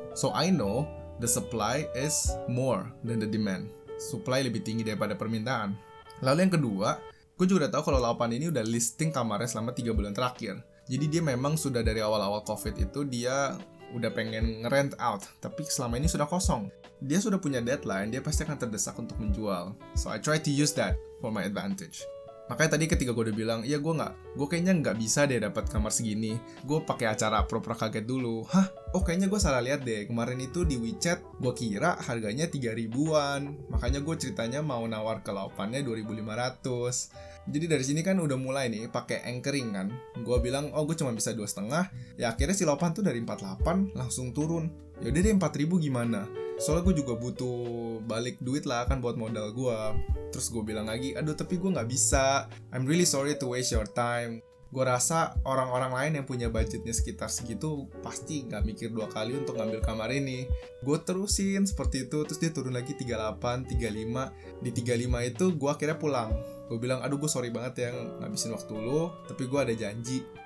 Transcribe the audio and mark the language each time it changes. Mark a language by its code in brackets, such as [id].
[en] So I know the supply is more than the demand. [id] Supply lebih tinggi daripada permintaan. Lalu yang kedua, gue juga udah tahu kalau Laupan ini udah listing kamarnya selama 3 bulan terakhir. Jadi dia memang sudah dari awal-awal COVID itu dia udah pengen rent out, tapi selama ini sudah kosong. Dia sudah punya deadline, dia pasti akan terdesak untuk menjual. [en] So I try to use that for my advantage. [id] Makanya tadi ketika gue udah bilang, ya gue kayaknya nggak bisa deh dapat kamar segini. Gue pakai acara pura-pura kaget dulu. Hah? Oh kayaknya gue salah lihat deh. Kemarin itu di WeChat, gue kira harganya 3.000-an. Makanya gue ceritanya mau nawar ke Laupannya 2.500. Jadi dari sini kan udah mulai nih, pakai anchoring kan. Gue bilang, oh gue cuma bisa 2.5. Ya akhirnya si Laupan tuh dari 4.8 langsung turun. Yaudah deh 4.000 gimana? Soalnya gue juga butuh balik duit lah kan buat modal gue. Terus gue bilang lagi, aduh tapi gue gak bisa, [en] I'm really sorry to waste your time. [id] Gue rasa orang-orang lain yang punya budgetnya sekitar segitu pasti gak mikir dua kali untuk ngambil kamar ini. Gue terusin seperti itu, terus dia turun lagi 38, 35. Di 35 itu gue akhirnya pulang. Gue bilang, aduh gue sorry banget yang ngabisin waktu lu, tapi gue ada janji.